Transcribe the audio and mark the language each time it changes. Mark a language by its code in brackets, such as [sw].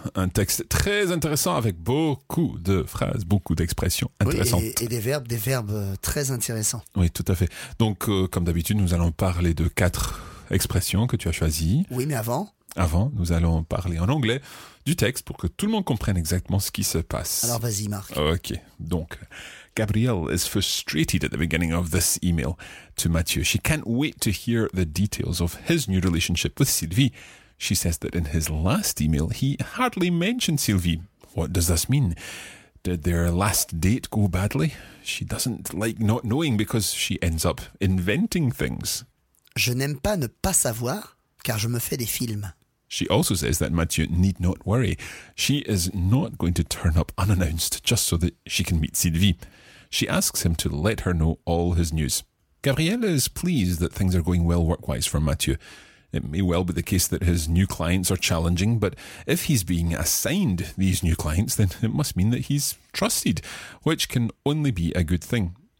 [fr] Un texte très intéressant avec beaucoup de phrases, beaucoup d'expressions intéressantes. Oui, et des verbes très intéressants. Oui, tout à fait. Donc, comme d'habitude, nous allons parler de quatre expressions que tu as choisies. Oui, mais avant. Avant, nous allons parler en anglais du texte pour que tout le monde comprenne exactement ce qui se passe. Alors, vas-y, Marc. Ok. [en] Donc, Gabrielle is frustrated at the beginning of this email to Mathieu. She can't wait to hear the details of his new relationship with Sylvie. She says that in his last email, he hardly mentioned Sylvie. What does this mean? Did their last date go badly? She doesn't like not knowing because she ends up inventing things. [fr] Je n'aime pas ne pas savoir, car je me fais des films. [en] She also says that Mathieu need not worry. She is not going to turn up unannounced just so that she can meet Sylvie. She asks him to let her know all his news. Gabrielle is pleased that things are going well work-wise for Mathieu. It may well be the case that his new clients are challenging, but if he's being assigned these new clients, then it must mean that he's trusted, which can only be a good thing.